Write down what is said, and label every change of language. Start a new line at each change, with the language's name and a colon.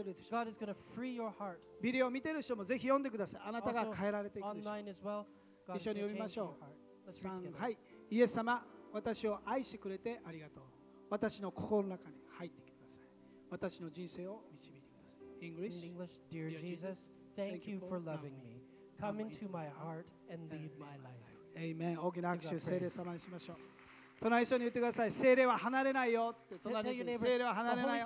English: God is going to free your heart. Also, online as well, God is going to change your heart. Let's read together. Yes, Lord, me,
Japanese: 私を愛してくれてありがとう。私の心の中に入ってください。私の人生を導いてください。
English: English? In English, dear Jesus, thank you for loving me. Come into my heart and lead my life. Amen.
Japanese: 大きな拍手を聖霊様にしましょう。隣の人に言ってください。聖霊は離れないよって隣の人に言って、聖霊は離れないよ。